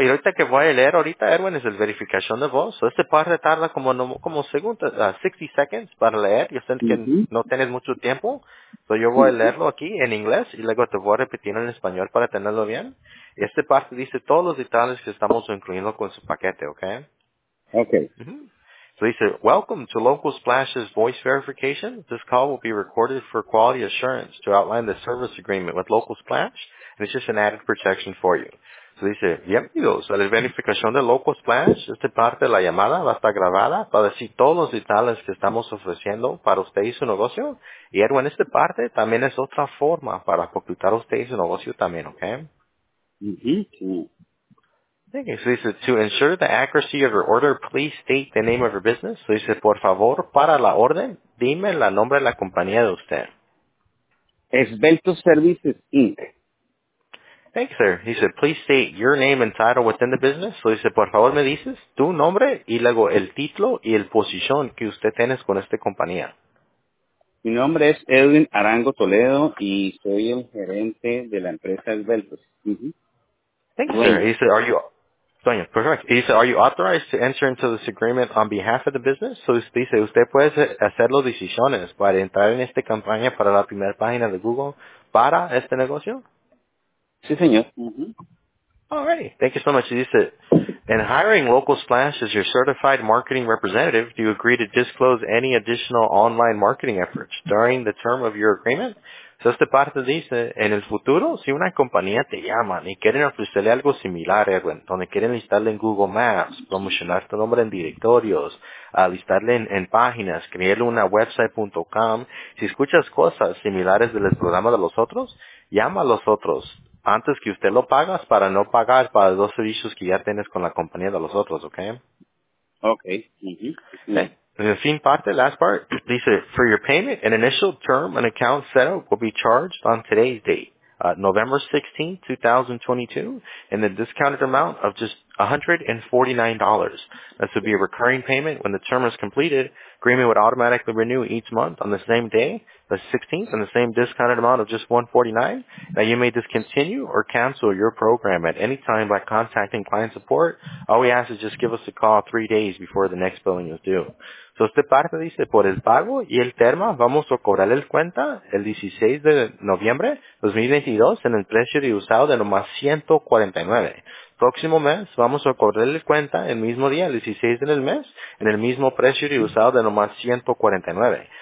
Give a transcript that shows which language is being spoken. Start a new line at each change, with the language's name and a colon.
Spanish: Y ahorita que voy a leer ahorita, Erwin, es el verificación de voz. So, este par tarda como no, como segundos,
English: 60 seconds
Spanish: para leer. Yo sé que no tienes mucho tiempo. So, yo voy a leerlo aquí en inglés y luego te voy a repetir en español para tenerlo bien. Y este par dice todos los detalles que estamos incluyendo con su paquete, ¿ok? Okay.
English: Mm-hmm. So he said, welcome to Local Splash's voice verification. This call will be recorded for quality assurance to outline the service agreement with Local Splash, and it's just an added protection for you. So he said,
Spanish: bienvenidos a la verificación de Local Splash. Esta parte de la llamada va a estar grabada para decir todos los detalles que estamos ofreciendo para usted y su negocio. Y Erwin, esta parte también es otra forma para ocultar usted y su negocio también, okay?
English: Okay, so he said, to ensure the accuracy of your order, please state the name of your business. So he said,
Spanish: por favor, para la orden, dime el nombre de la compañía de usted. Esbelto Services, Inc.
English: Thanks, sir. He said, please state your name and title within the business. So he said,
Spanish: por favor, me dices tu nombre y luego el título y el posición que usted tienes con esta compañía. Mi nombre es Edwin Arango Toledo y soy el gerente de la empresa Esbelto.
English: Thanks, sir. He said, are you... Doña, perfect. He said, are you authorized to enter into this agreement on behalf of the business? So he said,
Spanish: usted puede hacer las decisiones para entrar en esta campaña para la primera página de Google para este negocio? Sí, señor.
English: All right. Thank you so much. He said, in hiring Local Splash as your certified marketing representative, do you agree to disclose any additional online marketing efforts during the term of your agreement?
Spanish: So esta parte dice, en el futuro, si una compañía te llama y quieren ofrecerle algo similar, Erwin, donde quieren listarle en Google Maps, promocionar tu nombre en directorios, listarle en páginas, crearle una website.com, si escuchas cosas similares del programa de los otros, llama a los otros antes que usted lo pagas para no pagar para los dos servicios que ya tienes con la compañía de los otros, ¿ok? Ok. En el fin parte,
English: last part, dice, for your payment, an initial term and account setup will be charged on today's date, November 16, 2022, in the discounted amount of just $149. This would be a recurring payment when the term is completed. Agreement would automatically renew each month on the same day, the 16th, and the same discounted amount of just $149. Now, you may discontinue or cancel your program at any time by contacting client support. All we ask is just give us a call 3 days before the next billing is due.
Spanish: So, esta parte dice, por el pago y el termo, vamos a cobrar el cuenta el 16 de noviembre 2022 en el precio de usado de nomás $149. Próximo mes, vamos a cobrar el cuenta el mismo día, el 16 del mes, en el mismo precio de usado de nomás $149.